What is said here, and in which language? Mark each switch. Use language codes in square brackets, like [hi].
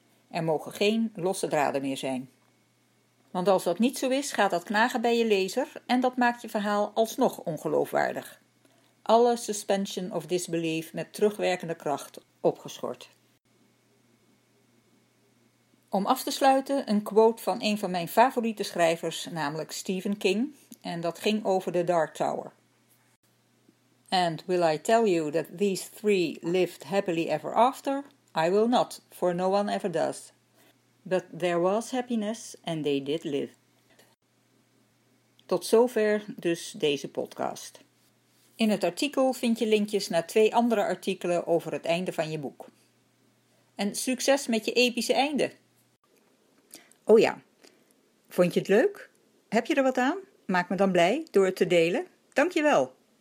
[nl] Er mogen geen losse draden meer zijn. Want als dat niet zo is, gaat dat knagen bij je lezer en dat maakt je verhaal alsnog ongeloofwaardig. Alle suspension of disbelief met terugwerkende kracht opgeschort. Om af te sluiten een quote van een van mijn favoriete schrijvers, namelijk Stephen King, en dat ging over de Dark Tower. [en] And will I tell you that these three lived happily ever after? I will not, for no one ever does. But there was happiness and they did live. [nl] Tot zover dus deze podcast. In het artikel vind je linkjes naar twee andere artikelen over het einde van je boek. En succes met je epische einde! Oh ja, vond je het leuk? Heb je er wat aan? Maak me dan blij door het te delen. Dankjewel!